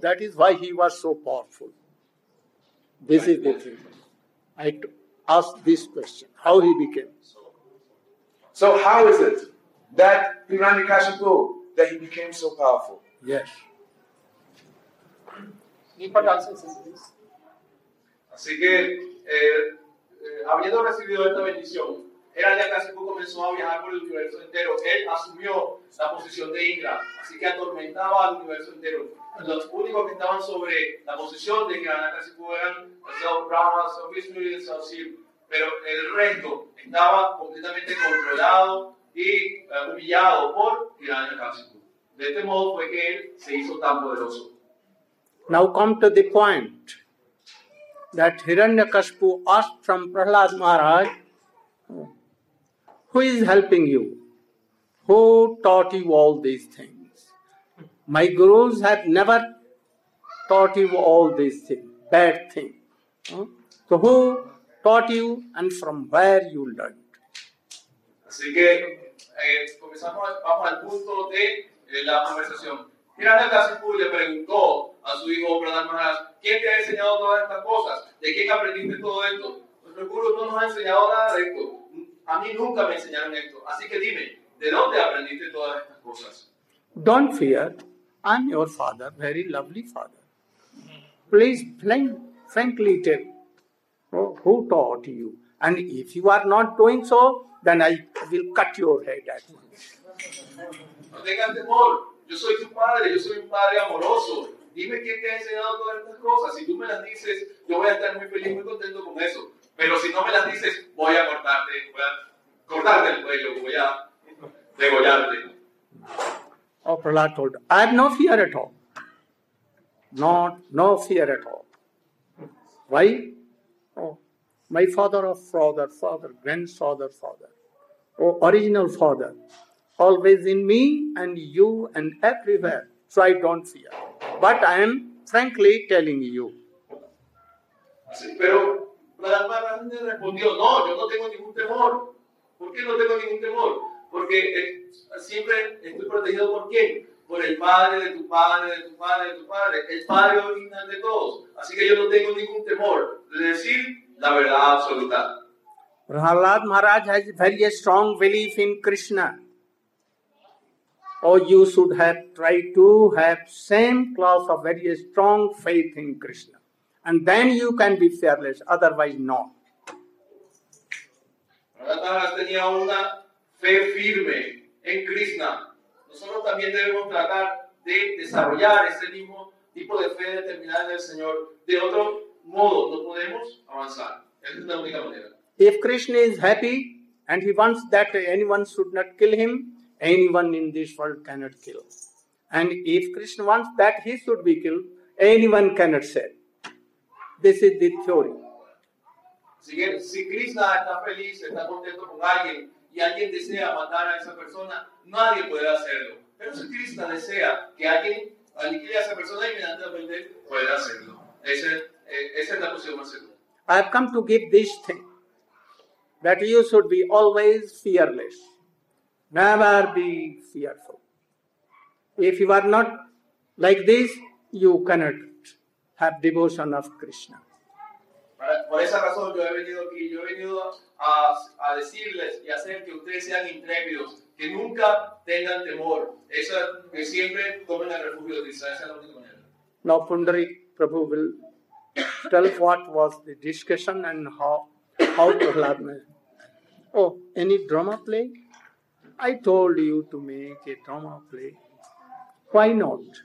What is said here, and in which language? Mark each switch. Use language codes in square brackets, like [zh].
[en] That is why he was so powerful. This is the thing. Ask this question. How he became? So how is it that Hiranyakashipu, that he became so powerful? Yes. [es] Así que, habiendo recibido esta bendición, Hiranyakashipu comenzó a viajar por el universo entero. Él asumió la posición de Indra, así que atormentaba al universo entero. Los únicos que estaban sobre la posición de Hiranyakashipu eran el Señor Brahma, el Señor Vishnu y el Señor Shiva. Pero el resto estaba completamente controlado y humillado por Hiranyakashipu. De este modo fue que él se hizo tan poderoso. [en] Now come to the point that Hiranyakashipu asked from Prahlad Maharaj, who is helping you? Who taught you all these things? My gurus have never taught you all these things, bad things. So who taught you and from where you learned? [es] Así que vamos al punto de la conversación. Hiranyakashipu le preguntó a su hijo Pradhan Maharaj, ¿quién te ha enseñado todas estas cosas? ¿De quién aprendiste todo esto? Nuestro gurú no nos ha enseñado nada de esto. A mí nunca me enseñaron esto. Así que dime, ¿de dónde aprendiste todas estas cosas? [en] Don't fear. I'm your father, very lovely father. Please, frankly tell. Who taught you? And if you are not doing so, then I will cut your head at once. [es] No tengas temor. Yo soy tu padre. Yo soy un padre amoroso. Dime quién te ha enseñado todas estas cosas. Si tú me las dices, yo voy a estar muy feliz, muy contento con eso. Pero si no me las dices, voy a cortarte el cuello, voy a degollarte. [en] Oh, Prahlad told, I have no fear at all. No fear at all. Why? Oh, my father of father, grandfather, father, oh, original father, always in me and you and everywhere, so I don't fear. But I am frankly telling you. [es] Sí, pero Prahlad Maharaj respondió, no, yo no tengo ningún temor. ¿Por qué no tengo ningún temor? Porque siempre estoy protegido por quién? Por el padre de tu padre, de tu padre, de tu padre, el padre original de todos. Así que yo no tengo ningún temor de decir la verdad absoluta. [en] Prahlad Maharaj has very strong belief in Krishna. Or you should have tried to have same class of very strong faith in Krishna. And then you can be fearless, otherwise not. [es] Prahlad Maharaj tenía una fe firme en Krishna. Nosotros también debemos tratar de desarrollar ese mismo tipo de fe determinada en el Señor. De otro modo, no podemos avanzar. Esa es la única manera. [en] If Krishna is happy and he wants that anyone should not kill him, anyone in this world cannot kill. And if Krishna wants that he should be killed, anyone cannot save. This is the theory. [es] Si Krishna está feliz, está contento con alguien, y alguien desea matar a esa persona, nadie puede hacerlo. Pero si Krishna desea que alguien aniquile a esa persona, inmediatamente puede hacerlo. Esa es la posición más segura. [en] I have come to give this thing, that you should be always fearless. Never be fearful. If you are not like this, you cannot have devotion of Krishna. [es] Por esa razón yo he venido aquí, yo he venido a decirles y hacer que ustedes sean intrépidos, que nunca tengan temor. Eso, que siempre tomen el refugio de Krishna. Esa es la única manera. [en] Now Pundarik Prabhu will tell what was the discussion and how to love me. Oh, any drama play? I told you to make a drama play. Why not?